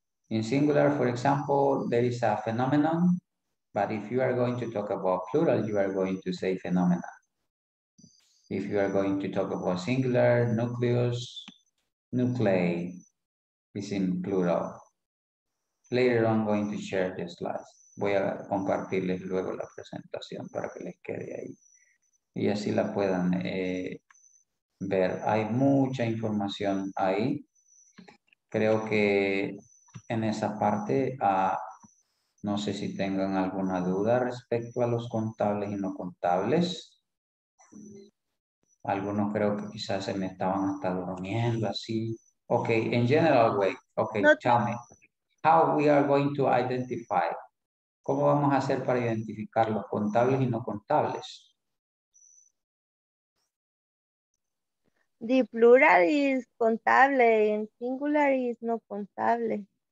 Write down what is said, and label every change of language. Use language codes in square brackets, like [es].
[en] In singular, for example, there is a phenomenon, but if you are going to talk about plural, you are going to say phenomena. If you are going to talk about singular, nucleus, nuclei is in plural. Later on, I'm going to share the slides. [es] Voy a compartirles luego la presentación para que les quede ahí. Y así la puedan ver. Hay mucha información ahí. Creo que en esa parte, no sé si tengan alguna duda respecto a los contables y no contables. Algunos creo que quizás se me estaban hasta durmiendo así. [en] Ok, in general way. Ok, tell me. How we are going to identify? [es] ¿Cómo vamos a hacer para identificar los contables y no contables? [en] The plural is contable and singular is no contable.